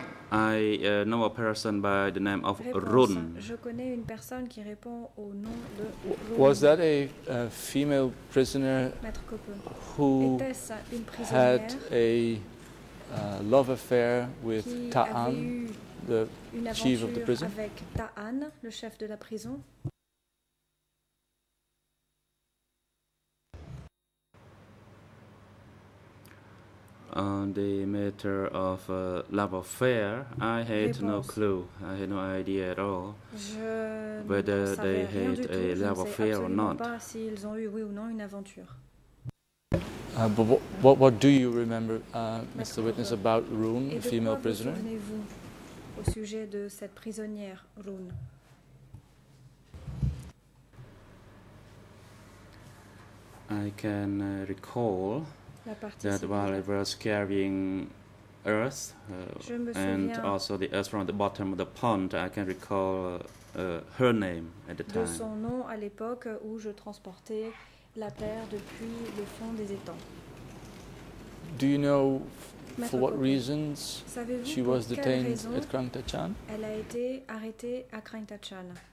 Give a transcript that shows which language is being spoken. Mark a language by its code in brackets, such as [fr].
[en] I know a person by the name of Roon. [fr] Je connais une personne qui répond au nom de Roon. [en] Was that a female prisoner who had a love affair with Ta'an, the chief of the prison? [fr] Avec Ta'an, le chef de la prison? [en] On the matter of love affair, I had no clue. I had no idea at all whether they had a love affair or not. What do you remember, Mr. Witness, about Roon, a female prisoner? [fr] Au sujet de cette prisonnière, Roon. [en] I can recall that while I was carrying earth and also the earth from the bottom of the pond, I can recall her name at the time. [fr] De son nom à l'époque où je transportais la terre depuis le fond des étangs. [en] Do you know for what reasons she was detained at Krang Ta Chan? [fr] Elle a été arrêtée à Krang Ta Chan.